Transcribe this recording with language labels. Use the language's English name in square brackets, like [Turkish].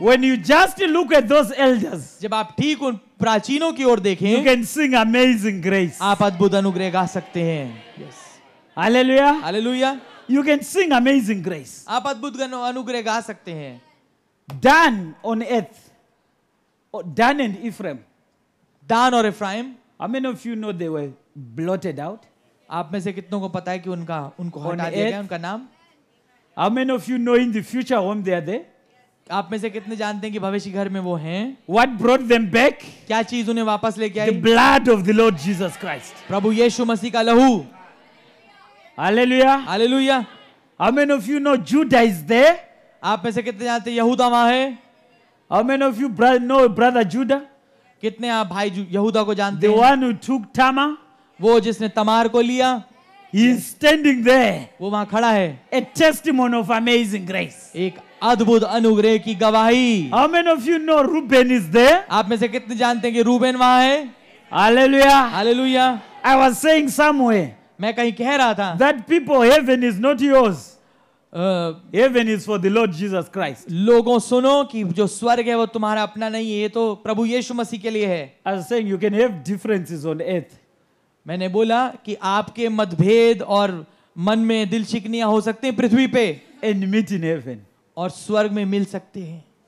[English] When you just look at those elders, [Hindi] जब आप ठीक उन प्राचीनों की ओर देखें, [English] you can sing amazing grace. [Hindi] आप अद्भुत अनुग्रह गा सकते हैं. [English] Yes. Hallelujah. [Hindi] Hallelujah. [English] You can sing amazing grace. [Hindi] आप अद्भुत अनुग्रह गा सकते हैं. [English] Dan on earth, Dan and Ephraim. [Hindi] Dan और Ephraim. [English] How many of you know they were blotted out? [Hindi] आप में से कितनों को पता है कि उनका उनको हटा दिया गया उनका नाम? [English] How many of you know in the future home they are there? [Hindi] आप में से कितने जानते हैं कि भविष्य घर में वो हैं? [English] What brought them back? [Hindi] क्या चीज उन्हें वापस लेके आई? [English] The blood of the Lord Jesus Christ. [Hindi] प्रभु यीशु मसीह का लहू. [English] Hallelujah. [Hindi] Hallelujah. [English] How many of you know Judah is there? [Hindi] आप में से कितने जानते हैं यहूदा वहां है? [English] How many of you know brother Judah? [Hindi] कितने आप भाई यहूदा को जानते हैं? [English] The one who took Tamar. [Hindi] वो जिसने तमार को लिया. [English] He is standing there. [Hindi] वो वहाँ खड़ा है. [English] A testimony of amazing grace. [Hindi] एक अद्भुत अनुग्रह की गवाही. [English] How many of you know Reuben is there? [Hindi] आप में से कितने जानते हैं कि रूबेन वहाँ है? [English] Hallelujah. [Hindi] Hallelujah. [English] I was saying somewhere. [Hindi] मैं कहीं कह रहा था [English] that people heaven is not yours heaven is for the Lord Jesus Christ [Hindi] लोगों सुनो कि जो स्वर्ग है वो तुम्हारा अपना नहीं है ये तो प्रभु यीशु मसीह के लिए है [English] as I'm saying you can have differences on earth [Hindi] मैंने बोला कि आपके मतभेद और मन में दिल शिकनियां हो सकते हैं पृथ्वी पे [English] and meet in heaven [Hindi] और स्वर्ग में मिल सकते हैं